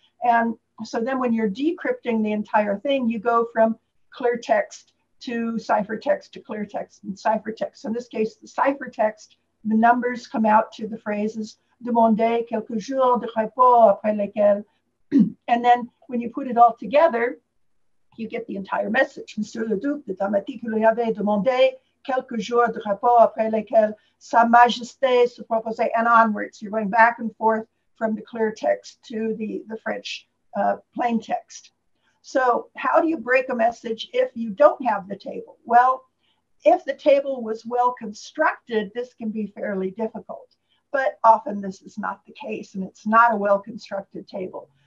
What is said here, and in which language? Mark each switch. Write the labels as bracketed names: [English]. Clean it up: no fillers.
[English] And so then when you're decrypting the entire thing, you go from clear text to ciphertext to clear text and ciphertext. So in this case, the ciphertext, the numbers come out to the phrases, [French] demander quelques jours de repos après lesquels. [English] And then when you put it all together, you get the entire message. [French] Monsieur le Duc de Damati, que lui avait demandé quelques jours de repos après lesquels sa majesté se proposait, [English] and onwards. You're going back and forth from the clear text to the French plain text. So how do you break a message if you don't have the table? Well, if the table was well constructed, this can be fairly difficult. But often this is not the case, and it's not a well-constructed table.